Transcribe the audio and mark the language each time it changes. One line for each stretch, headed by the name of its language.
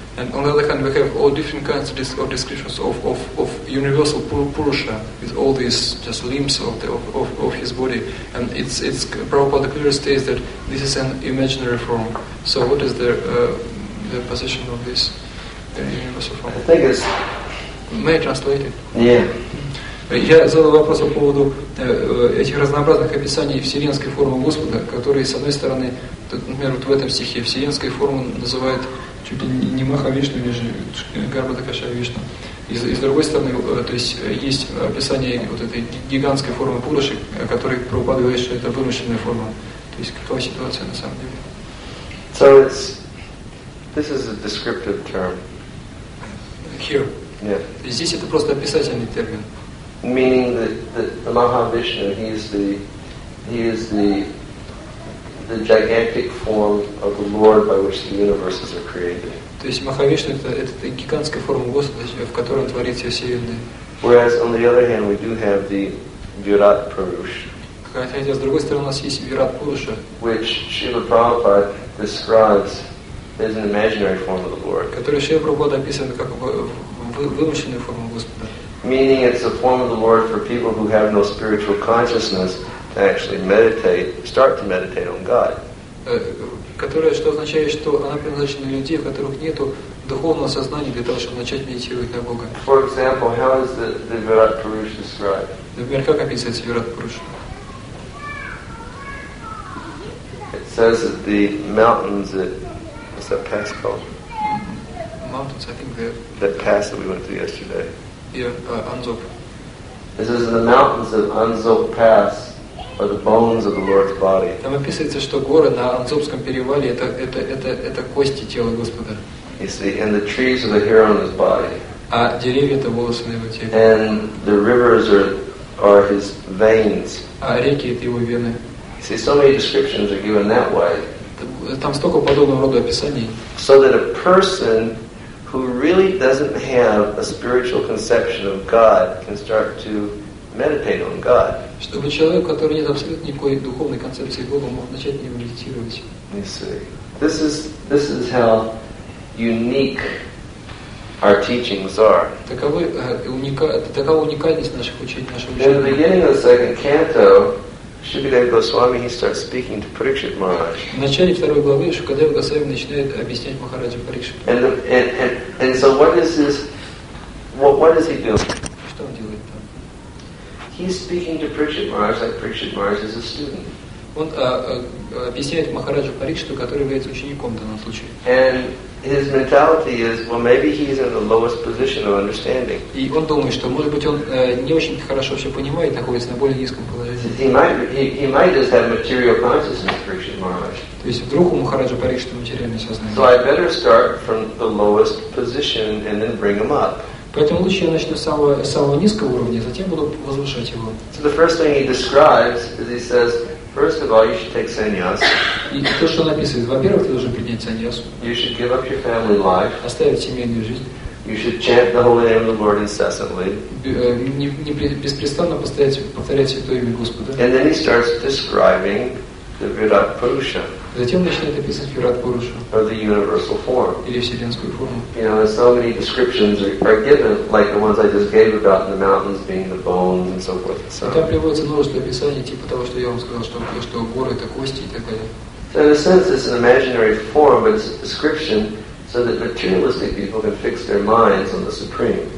English: And on the other hand, we have all different kinds of descriptions of universal Purusha with all these just limbs of his body. And it's Prabhupada clearly states that this is an imaginary form. So what is the position of this universal form? I think it's... May I translate it? Yeah.
Russian: Я задал вопрос по поводу этих разнообразных описаний вселенской формы Господа, которые, с одной стороны, например, вот в этом стихе вселенской формы называют чуть ли не Махавишну или же Гарбходакшая Вишну. И с другой стороны, то есть описание вот этой гигантской формы Пуруши, о которой Прабхупада говорит, что это вымышленная форма. То есть какова ситуация на самом деле?
English: So it's this is a descriptive term. Here. Yeah.
Russian: Здесь это просто описательный термин.
English: Meaning that the Mahavishnu, he is the gigantic form of the Lord by which the universes are created.
Russian: То есть Махавишна это гигантская форма Господа, в которой творится вселенная.
English: Whereas on the other hand, we do have the Virat Purusha.
Russian: Хотя с другой стороны у нас есть Virat Purusha,
English: which Srila Prabhupada describes as an imaginary form of the Lord.
Russian: Который Шрила Прабхупада описывает как вымышленную форму Господа.
English: Meaning it's a form of the Lord for people who have no spiritual consciousness to actually start to meditate on God.
Russian: Которое что означает, что она предназначена для людей, у которых нет духовного сознания для того, чтобы начать медитировать на Бога.
English: For example, how is the Virat Purusha described?
Russian: Например, как описывается Virat Purusha?
English: It says that the mountains that, what's that pass called? Mountains, I think they're... That pass that we went to yesterday. Yeah, Anzop. This is the mountains of Anzop Pass, or the bones of the Lord's body.
Russian: Там описывается, что горы на Анзопском перевале это кости тела Господа.
English: You see, and the trees are the hair on his body.
Russian: А деревья это волосы на его теле.
English: And the rivers are his veins.
Russian: А реки это его вены.
English: You see, so many descriptions are given that way.
Russian: Там столько подобного рода описаний.
English: So that a person who really doesn't have a spiritual conception of God can start to meditate on God.
Russian: Чтобы человек, который нет абсолютно никакой духовной концепции Бога, мог начать медитировать.
English: You see. This is how unique our teachings are.
Russian: Такова уникальность наших учений.
English: In the beginning of the second canto, Shukadeva Goswami, he starts speaking to Parikshit Maharaj.
Russian: В начале второй главы Шукадева Госвами начинает объяснять Махараджу Парикшит.
English: And so what is he doing?
Russian: Что он делает там?
English: He's speaking to Parikshit Maharaj like Parikshit Maharaj is a student.
Russian: Он объясняет Махараджу Парикшиту, который является учеником в данном случае.
English: And his mentality is, well, maybe he's in the lowest position of understanding.
Russian: И он думает, что, может быть, он не очень хорошо все понимает, находится на более низком положении.
English: He might just have material consciousness, Parikshit Maharaj.
Russian: То есть вдруг у Махараджа Парикшиту материальное сознание.
English: So I better start from the lowest position and then bring him up.
Russian: Поэтому лучше я начну с самого низкого уровня, затем буду возвышать его.
English: So the first thing he describes is he says, first of all, you should take sannyas.
Russian: И то, что написано, во-первых, ты должен принять сannyas.
English: You should give up your family life.
Russian: Оставить семейную жизнь.
English: You should chant the holy name of the Lord incessantly.
Russian: Не беспрестанно повторять святое имя Господа.
English: And then he starts describing the Virat Purusha.
Russian: Затем начинает описывать Virat Purusha.
English: Or the universal form.
Russian: Или вселенскую форму.
English: You know, so many descriptions are given, like the ones I just gave about the mountains being the bones and so forth. So.
Russian: Там приводится множество описаний, типа того, что я вам сказал, что горы это кости и так далее.
English: So in a sense, it's an imaginary form, but it's a description, so that materialistic people can fix their minds on the supreme.